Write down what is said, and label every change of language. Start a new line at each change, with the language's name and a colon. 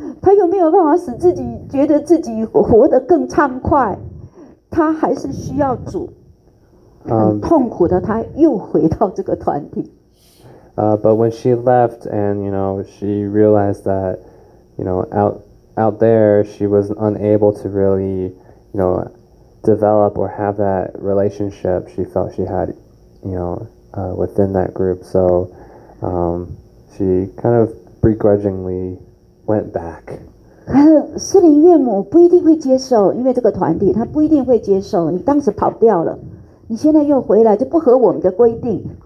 Chinese: 她又没有办法使自己觉得自己活得更畅快，她还是需要主。很痛苦的，她又回到这个团体。
English: But when she left, and you know, she realized that, you know, out there, she was unable to really, you know, develop or have that relationship she felt she had, you know, within that group. So, she kind of begrudgingly went back.
Chinese: 施灵岳母不一定会接受，因为这个团体，她不一定会接受。你当时跑掉了，你现在又回来，就不合我们的规定。